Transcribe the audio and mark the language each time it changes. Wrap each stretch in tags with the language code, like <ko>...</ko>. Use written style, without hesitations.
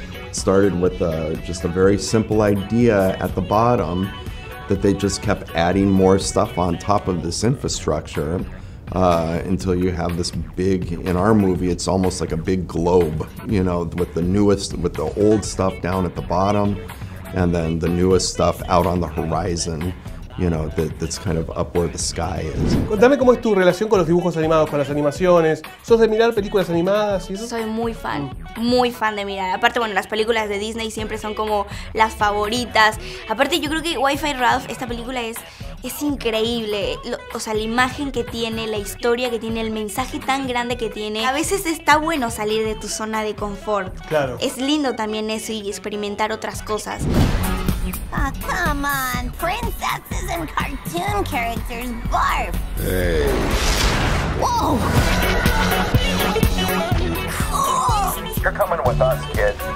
<en>Started with just a very simple idea at the bottom that they just kept adding more stuff on top of this infrastructure. Until you have this big, in our movie, it's almost like a big globe, you know, with the old stuff down at the bottom, and then the newest stuff out on the horizon, you know, that's kind of up where the sky is.</en> <es>Contame cómo es tu relación con los dibujos animados, con las animaciones. ¿Sos de mirar películas animadas y eso? Soy muy fan, muy fan de mirar. Aparte, bueno, las películas de Disney siempre son como las favoritas. Aparte, yo creo que Wi-Fi Ralph, esta película es increíble, o sea, la imagen que tiene, la historia que tiene, el mensaje tan grande que tiene. A veces está bueno salir de tu zona de confort. Claro. Es lindo también eso y experimentar otras cosas.</es> <en>Oh, come on, princesses and cartoon characters, barf. Hey. Whoa. Cool. You're coming with us, kid.</en>